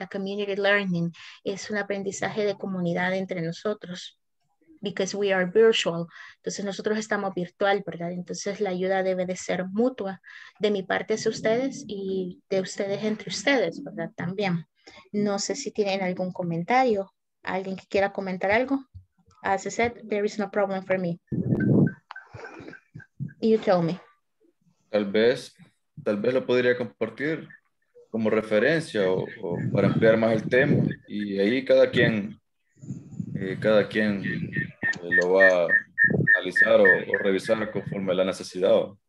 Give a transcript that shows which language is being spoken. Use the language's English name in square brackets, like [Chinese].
[English] A community learning [Spanish] es un aprendizaje de comunidad entre nosotros. [English] Because we are virtual, [Spanish] entonces nosotros estamos virtual, ¿verdad? Entonces la ayuda debe de ser mutua de mi parte hacia ustedes y de ustedes entre ustedes, ¿verdad? También. No sé si tienen algún comentario, alguien que quiera comentar algo. [English] As I said, there is no problem for me. You tell me. [Spanish] Tal vez lo podría compartir como referencia o para ampliar más el tema y ahí cada quien lo va a analizar o revisar conforme a la necesidad.